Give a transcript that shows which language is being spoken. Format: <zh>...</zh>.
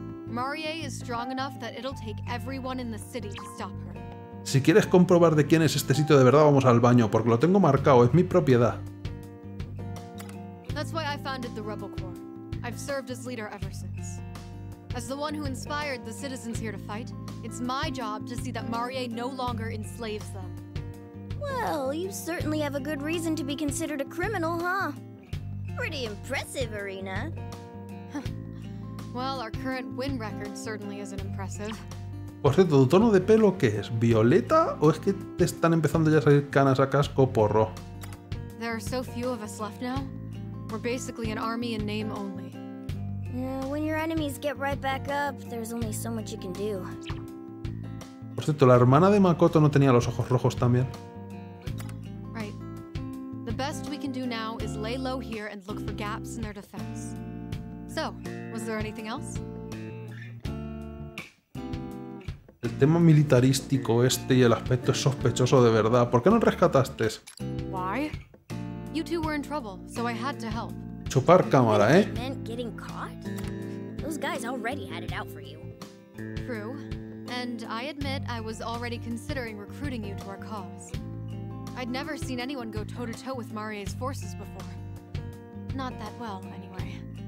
<en>Marie is strong enough that it'll take everyone in the city to stop her.</en> <es>Si quieres comprobar de quién es este sitio de verdad, vamos al baño, porque lo tengo marcado, es mi propiedad.</es> <en>That's why I founded the Rebel Corps. I've served as leader ever since. As the one who inspired the citizens here to fight, it's my job to see that Marie no longer enslaves them. Well, you certainly have a good reason to be considered a criminal, huh? Pretty impressive, Arena. Well, our current win record certainly isn't impressive.</en> <es>Por cierto, ¿tu tono de pelo qué es? ¿Violeta? ¿O es que te están empezando ya a salir canas a casco porro?</es> <en>There are so few of us left now. We're basically an army in name only. When your enemies get right back up, there's only so much you can do.</en> <es>Por cierto, ¿la hermana de Makoto no tenía los ojos rojos también?</es> <en>Right. The best we can do now is lay low here and look for gaps in their defense. So, was there anything else?</en> <es>El tema militarístico este y el aspecto es sospechoso de verdad. ¿Por qué no rescataste?</es> <en>Why? You two were in trouble, so I had to help.</en> <es>Chupar cámara, ¿eh?</es> <en>Meant getting caught? Those guys already had it out for you. True. And I admit I was already considering recruiting you to our cause. I'd never seen anyone go toe to toe with Marie's forces before. Not that well, anyway.</en>